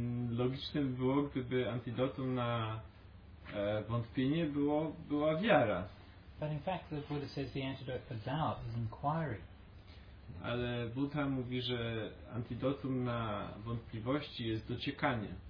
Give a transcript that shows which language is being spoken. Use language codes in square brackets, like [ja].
[pl] Logiczne by było, gdyby antidotum na wątpienie była wiara. [en] But in fact, the Buddha says the antidote for doubt is inquiry. [pl] Ale Buddha mówi, że antidotum na wątpliwości jest dociekanie.